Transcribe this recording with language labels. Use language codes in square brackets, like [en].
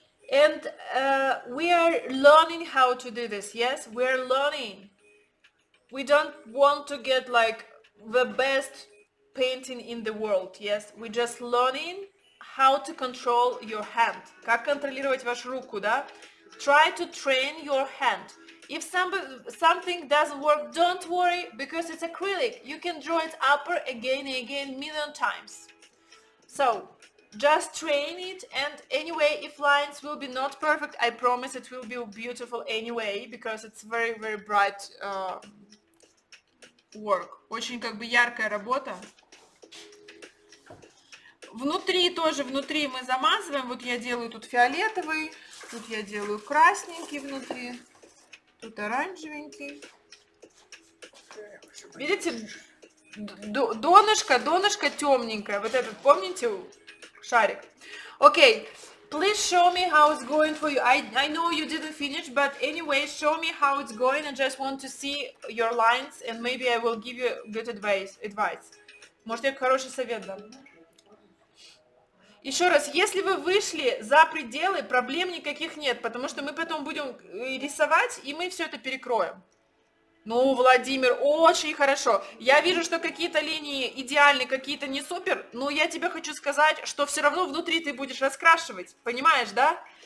[en] And we are learning how to do this, yes? We are learning. We don't want to get like the best painting in the world, yes? We're just learning how to control your hand. [ru] Как контролировать вашу руку, да? [en] Try to train your hand. If something doesn't work, don't worry, because it's acrylic. You can draw it upper again and again million times. So, just train it, and anyway, if lines will be not perfect, I promise it will be beautiful anyway, because it's very, very bright work. [ru] Очень как бы яркая работа. Внутри тоже, внутри мы замазываем, вот я делаю тут фиолетовый, тут я делаю красненький внутри, тут оранжевенький. Видите, донышко темненькое, вот этот, помните, шарик? [en] Okay, please show me how it's going for you. I know you didn't finish, but anyway, show me how it's going. I just want to see your lines, and maybe I will give you good advice. [ru] Может, я хороший совет дам? Еще раз, если вы вышли за пределы, проблем никаких нет, потому что мы потом будем рисовать, и мы все это перекроем. Ну, Владимир, очень хорошо. Я вижу, что какие-то линии идеальны, какие-то не супер, но я тебе хочу сказать, что все равно внутри ты будешь раскрашивать, понимаешь, да?